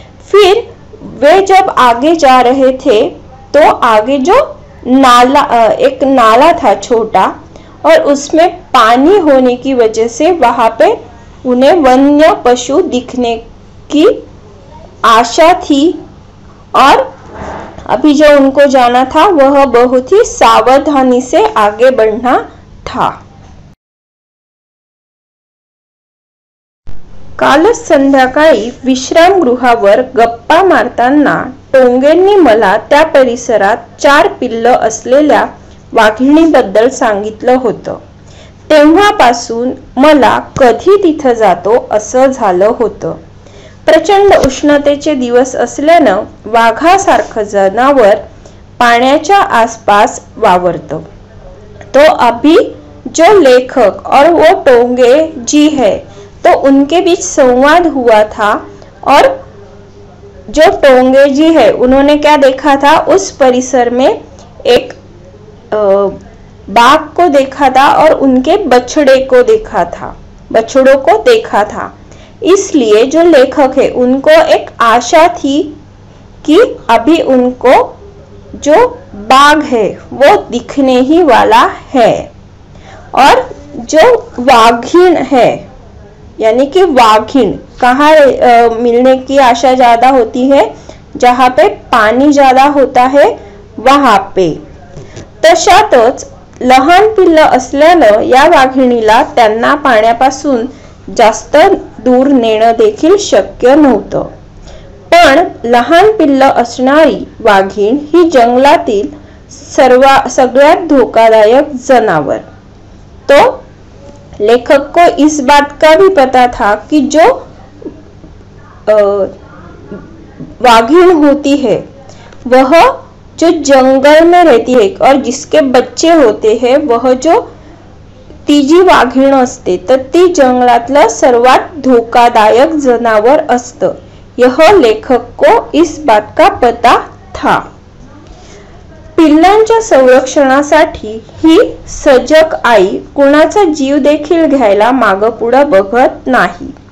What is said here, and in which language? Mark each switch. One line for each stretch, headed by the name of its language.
Hindi: फिर वे जब आगे जा रहे थे तो आगे जो नाला एक नाला था छोटा और उसमें पानी होने की वजह से वहां पे उन्हें वन्य पशु दिखने की आशा थी और अभी जो उनको जाना था वह बहुत ही सावधानी से आगे बढ़ना था।
Marathi: काल संध्याकाळी विश्राम गृहावर गप्पा मारताना टोंगेंनी मला त्या परिसरात चार पिल्ल असलेल्या वाघिणीबद्दल सांगितलं होतं। तेव्हापासून मला कधी तिथं जातो असं झालं होतं। प्रचंड उष्णतेचे दिवस असल्यानं वाघासारखं जनावर पाण्याच्या आसपास वावरतं।
Hindi: तो अभी जो लेखक और वो टोंगे जी है तो उनके बीच संवाद हुआ था और जो टोंगे जी है उन्होंने क्या देखा था उस परिसर में एक बाघ को देखा था और उनके बछड़े को देखा था बछड़ों को देखा था, इसलिए जो लेखक है उनको एक आशा थी कि अभी उनको जो बाघ है वो दिखने ही वाला है और जो वाघिन है यानी कि वाघिन कहाँ मिलने की आशा ज्यादा होती है, जहां पे पानी ज्यादा होता है वहां पे।
Marathi: तशातच लहान पिल्ल असल्यानं या वाघिणीला त्यांना पाण्यापासून जास्त दूर नेणं देखील शक्य नव्हतं। पण लहान पिल्ल असणारी वाघीण ही जंगलातील सगळ्यात धोकादायक जनावर।
Hindi: तो लेखक को इस बात का भी पता था कि जो वाघीण होती है वह जो जंगल में रहती है और जिसके बच्चे होते हैं वह जो तीजी
Marathi: वाघीण असते ती जंगलातला सर्वात धोकादायक जनावर असत,
Hindi: यह लेखक को इस बात का पता था।
Marathi: पिल्लांच्या संरक्षणासाठी ही सजग आई कुणाचा जीव देखील घ्यायला मागपुढे बघत नाही।